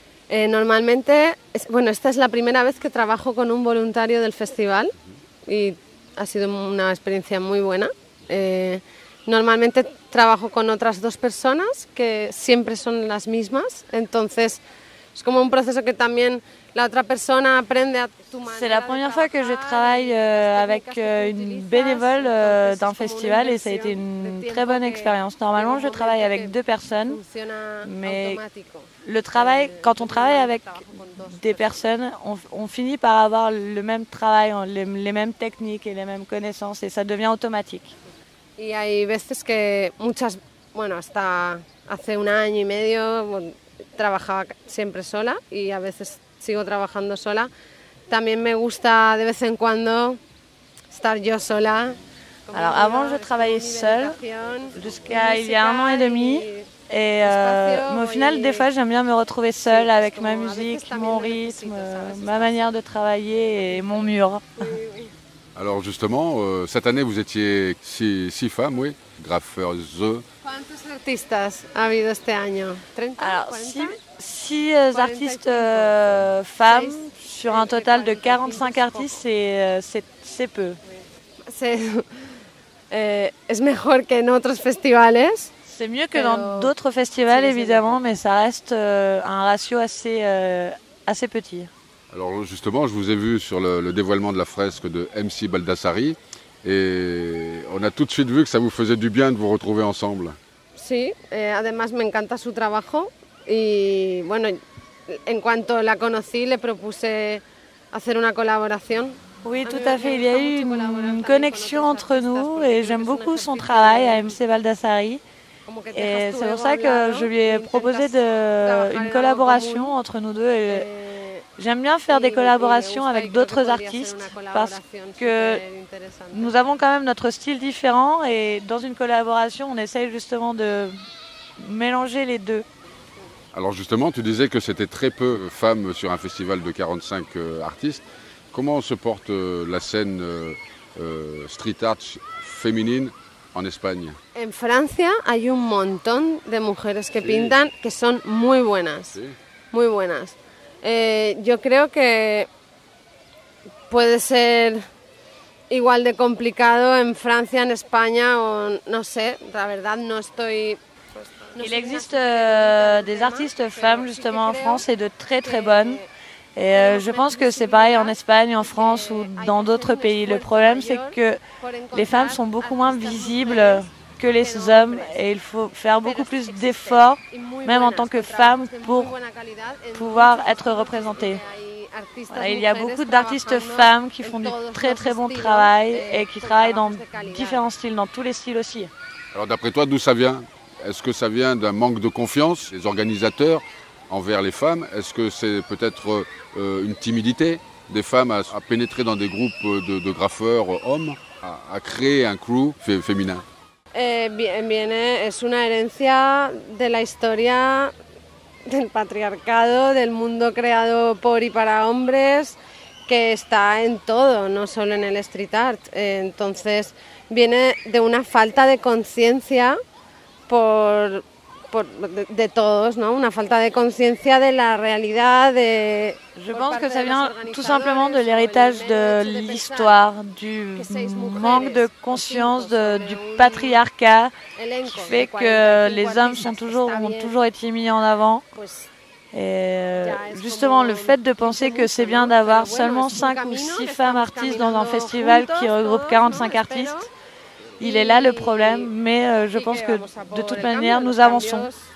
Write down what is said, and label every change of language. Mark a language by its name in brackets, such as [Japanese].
[French] Normalement, [Spanish] bueno, esta es la primera vez que trabajo con un voluntario del festival y ha sido una experiencia muy buena. Normalmente trabajo con otras dos personas que siempre son las mismas, entonces es como un proceso que también la otra persona aprende a tu manera. [French] C'est la première fois que je travaille avec une bénévole d'un festival et ça a été une très bonne expérience. Normalement, je travaille avec deux personnes, mais le travail, quand on travaille avec des personnes, on finit par avoir le même travail, les mêmes techniques et les mêmes connaissances et ça devient automatique. [Spanish] Y hay veces que muchas, bueno, hasta hace un año y medio trabajaba siempre sola y a veces sigo trabajando sola. También me gusta de vez en cuando estar yo sola. [French] Alors avant je travaillais seule jusqu'à il y a un an et demi et mais au final des fois j'aime bien me retrouver seule avec ma musique, mon rythme, ma manière de travailler et mon mur. Alors justement, cette année, vous étiez six femmes, oui, graffeurs. [Spanish] Quantos artistas ha habido este año? 30, [French] alors, 40, six artistes 40, femmes 6, sur un total 40, de 45 artistes, c'est peu. [Spanish] Es mejor que en otros festivales. [French] C'est mieux que dans d'autres festivals, évidemment, mais ça reste un ratio assez petit. Alors justement, je vous ai vu sur le dévoilement de la fresque de MC Baldassari et on a tout de suite vu que ça vous faisait du bien de vous retrouver ensemble. [Spanish] Sí, además me encanta su trabajo y bueno, en cuanto la conocí, le propuse hacer una colaboración. [French] Oui, tout à fait. Il y a eu une connexion entre nous et j'aime beaucoup son travail à MC Baldassari. Et c'est pour ça que je lui ai proposé une collaboration entre nous deux. Et j'aime bien faire des collaborations avec d'autres artistes parce que nous avons quand même notre style différent et dans une collaboration, on essaye justement de mélanger les deux. Alors justement, tu disais que c'était très peu femmes sur un festival de 45 artistes. Comment se porte la scène street art féminine en Espagne ? En France, il y a [Spanish] un montón de mujeres [French] qui [Spanish] pintan [French] qui sont [Spanish] muy buenas. Muy buenas. Yo creo que puede ser igual de complicado en Francia, en España o no sé, la verdad no estoy... [French] Il existe des artistes femmes justement en France et de très très bonnes. Et je pense que c'est pareil en Espagne, en France ou dans d'autres pays. Le problème c'est que les femmes sont beaucoup moins visibles que les hommes et il faut faire beaucoup plus d'efforts même en tant que femme pour pouvoir être représentée. Voilà, il y a beaucoup d'artistes femmes qui font du très très bon travail et qui travaillent dans différents styles, dans tous les styles aussi. Alors d'après toi, d'où ça vient ? Est-ce que ça vient d'un manque de confiance des organisateurs envers les femmes. Est-ce que c'est peut-être une timidité des femmes à pénétrer dans des groupes de graffeurs hommes, à créer un crew féminin? [Spanish] Es una herencia de la historia del patriarcado, del mundo creado por y para hombres, que está en todo, no solo en el street art. Entonces viene de una falta de conciencia de todos, ¿no? Una falta de conciencia de la realidad de... [French] Je pense que ça vient tout simplement de l'héritage de l'histoire, du manque de conscience du patriarcat qui fait que les hommes ont toujours été mis en avant. Et justement, le fait de penser que c'est bien d'avoir seulement 5 ou 6 femmes artistes dans un festival qui regroupe 45 artistes, il est là le problème, mais je pense que de toute manière, nous avançons.